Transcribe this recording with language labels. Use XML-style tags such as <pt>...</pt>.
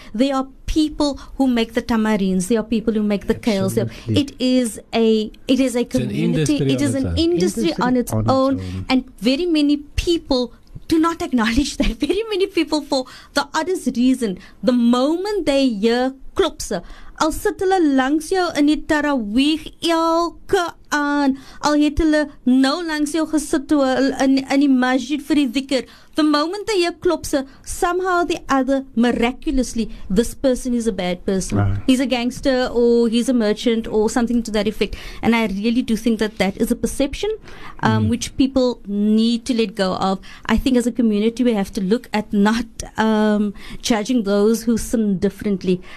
<en>There are people who make the tamarins. There are people who make the kales. It is a community. It is an industry on its own. And very many people do not acknowledge that. Very many people, for the oddest reason, the moment they hear Klopsa,</en> <af>al sit hulle langs jou in die tarawih elke aan, al het hulle nou langs jou gesit in die masjid vir die zikr.</af> <en>The moment that you klopse, somehow or the other, miraculously, this person is a bad person. He's a gangster or he's a merchant or something to that effect. And I really do think that that is a perception which people need to let go of. I think as a community, we have to look at not judging those who sin differently.</en>